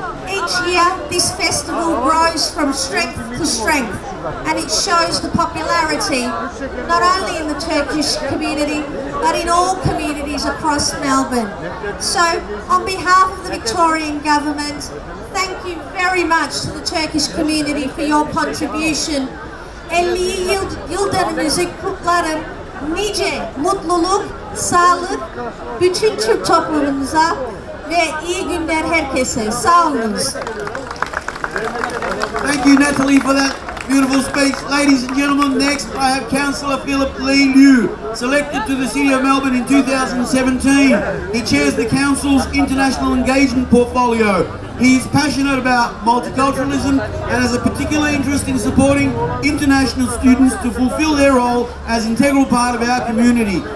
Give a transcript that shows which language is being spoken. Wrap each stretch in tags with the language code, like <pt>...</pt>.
<en>Each year, this festival grows from strength to strength, and it shows the popularity, not only in the Turkish community, but in all communities across Melbourne. So, on behalf of the Victorian Government, thank you very much to the Turkish community for your contribution.</en> <tr>Elli yıldönümüzü kutlarım. Nice mutluluk, sağlık bütün Türk toplumunuza ve iyi günler herkese. Sağ olun.</tr> <en>Thank you, Natalie, for that beautiful speech. Ladies and gentlemen, next I have Councillor Philip Lee New, selected to the City of Melbourne in 2017. He chairs the Council's International Engagement Portfolio. He is passionate about multiculturalism and has a particular interest in supporting international students to fulfil their role as integral part of our community.</en>